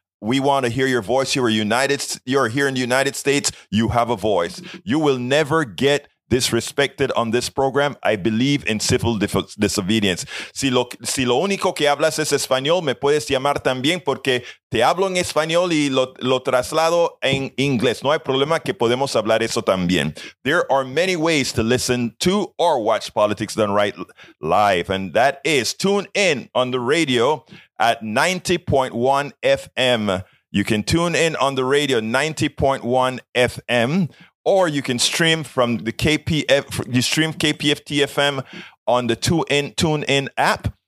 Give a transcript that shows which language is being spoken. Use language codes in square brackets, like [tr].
[en] We want to hear your voice. You're here in the United States. You have a voice. You will never get disrespected on this program. I believe in civil disobedience. [es] Si lo único que hablas es español, me puedes llamar también porque te hablo en español y lo traslado en inglés. No hay problema que podemos hablar eso también. [en] There are many ways to listen to or watch Politics Done Right live, and that is tune in on the radio at 90.1 FM. You can tune in on the radio 90.1 FM. Or you can stream from the KPF, you stream KPFT-FM on the TuneIn app.